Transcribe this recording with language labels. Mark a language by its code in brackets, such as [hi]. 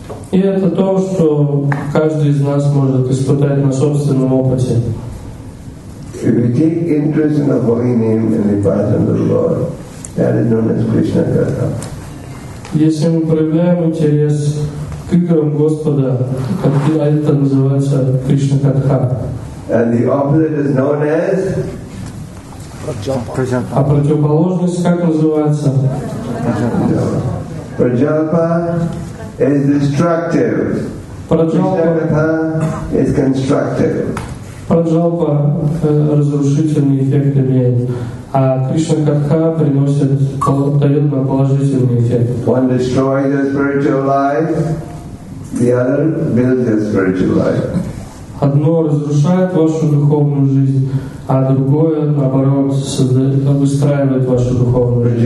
[ru] И это то, что каждый из нас может испытать на собственном опыте. [en] If we take interest in the holy name and the pastimes of the Lord, that is known as Krishna Katha. [ru] Если мы проявляем интерес к играм Господа, это называется Кришна Катха. [en] And the opposite is known as? [ru] Праджапа. А противоположность как называется? [en] Праджапа is destructive. [ru] Праджапа. [en] Кришна Катха is constructive. [ru] Праджапа разрушительный эффект имеет. А Кришна Катха приносит абсолютно положительный эффект. [en] One destroys the spiritual life, the other builds the spiritual life. [ru] Одно разрушает вашу духовную жизнь, а другое, наоборот, выстраивает вашу духовную жизнь.